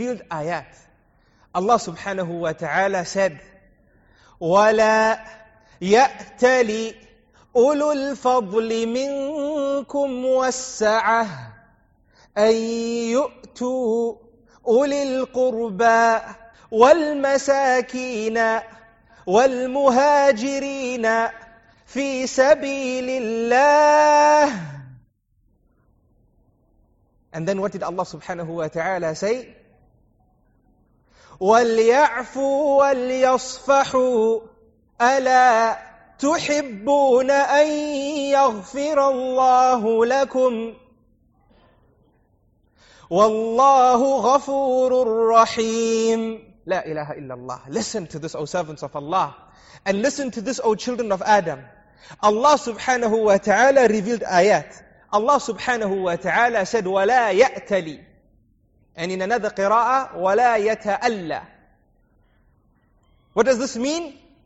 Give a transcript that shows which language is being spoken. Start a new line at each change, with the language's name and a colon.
English: Allah subhanahu wa ta'ala said,
Arabic: وَلَا يَأْتَلِ أُولُو الْفَضْلِ مِنْكُمْ وَالسَّعَةِ أَنْ يُؤْتُوا أُولِي الْقُرْبَى والمساكين والمهاجرين في سبيل الله.
English: And then what did Allah subhanahu wa ta'ala say?
Arabic: وليعفوا وليصفحوا ألا تحبون أن يغفر الله لكم والله غفور رحيم.
English: La ilaha illallah. Listen to this, O servants of Allah. And listen to this, O children of Adam. Allah subhanahu wa ta'ala revealed ayat. Allah subhanahu wa ta'ala said,
Arabic: وَلَا يَأْتَلِي.
English: And in another qira'ah,
Arabic: وَلَا يَتَأَلَّى.
English: What does this mean?